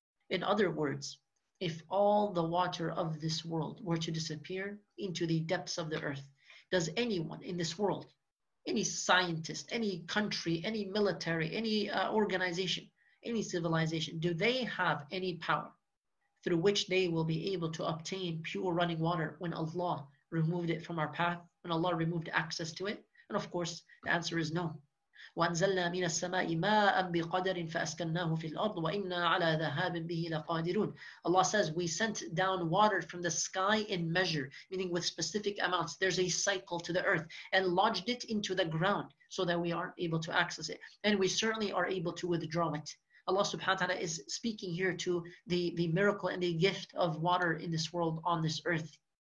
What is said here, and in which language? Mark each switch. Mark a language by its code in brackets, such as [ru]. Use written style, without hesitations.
[en] In other words, if all the water of this world were to disappear into the depths of the earth, does anyone in this world, any scientist, any country, any military, any organization, any civilization, do they have any power through which they will be able to obtain pure running water when Allah removed it from our path, when Allah removed access to it? And of course, the answer is no. [ar] وأنزلنا من السماء ماء بقدر فأسكناه في الأرض وإنا على ذهاب به لقادرون. [en] Allah says, we sent down water from the sky in measure, meaning with specific amounts. There's a cycle to the earth, and lodged it into the ground so that we aren't able to access it. And we certainly are able to withdraw it. Allah subhanahu wa ta'ala is speaking here to the miracle and the gift of water in this world, on this earth.